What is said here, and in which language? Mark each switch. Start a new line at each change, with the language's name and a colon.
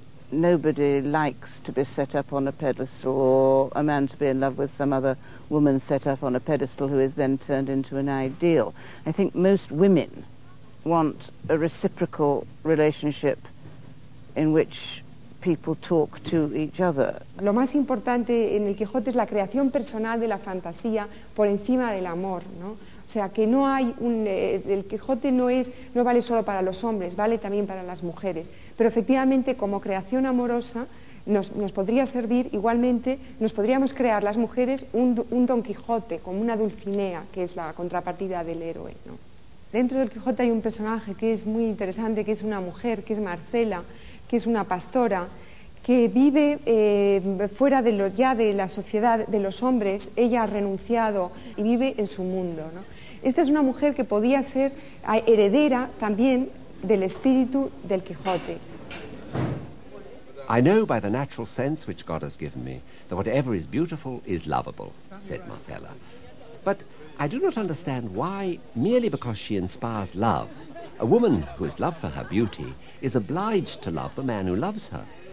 English: Nobody likes to be set up on a pedestal, or a man to be in love with some other woman set up on a pedestal who is then turned into an ideal. I think most women want a reciprocal relationship in which people talk to each other.
Spanish: Lo más importante en el Quijote es la creación personal de la fantasía por encima del amor, ¿no? O sea, que no hay un... el Quijote no vale solo para los hombres, vale también para las mujeres. Pero efectivamente, como creación amorosa, nos podría servir igualmente, nos podríamos crear las mujeres un Don Quijote, como una Dulcinea, que es la contrapartida del héroe, ¿no? Dentro del Quijote hay un personaje que es muy interesante, que es una mujer, que es Marcela, que es una pastora, que vive fuera de la sociedad de los hombres. Ella ha renunciado y vive en su mundo, ¿no? Esta es una mujer que podía ser heredera también del espíritu del Quijote.
English: I know by the natural sense which God has given me that whatever is beautiful is lovable, said Marcella. But I do not understand why, merely because she inspires love, a woman who is loved for her beauty is obliged to love the man who loves her.